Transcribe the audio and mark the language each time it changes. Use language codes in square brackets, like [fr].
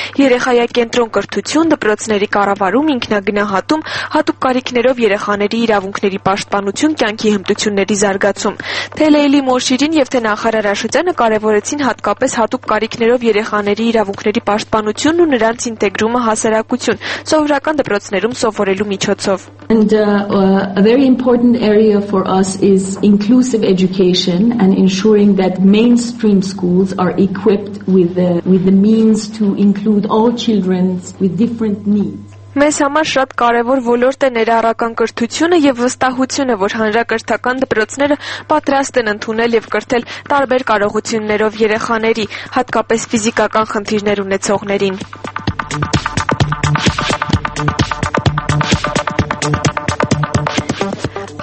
[hy] երեխայակենտրոն կրթություն, դպրոցների կառավարում, ինքնագնահատում, հատուկ կարիքներով երեխաների իրավունքների պաշտպանություն, կյանքի հմտությունների զարգացում։ Թե Լեյլի Մոշիրին եւ թե նախարար Աշոտյանը կարևորեցին հատկապես հատուկ կարիքներով երեխաների իրավունքների պաշտպանությունն ու նրանց ինտեգրումը հասարակություն, սովորական դպրոցներում սովորելու միջոցով։ [en] And a very important area for us is inclusive education and ensuring that mainstream schools are equipped with the means to include all children with different needs. [hy] Մեզ համար շատ կարևոր ոլորտ է ներառական կրթությունը եւ վստահությունը, որ հանրակրթական դպրոցները պատրաստ են ընդունել եւ կրթել տարբեր կարողություններով երեխաների, հատկապես ֆիզիկական խնդիրներ ունեցողներին։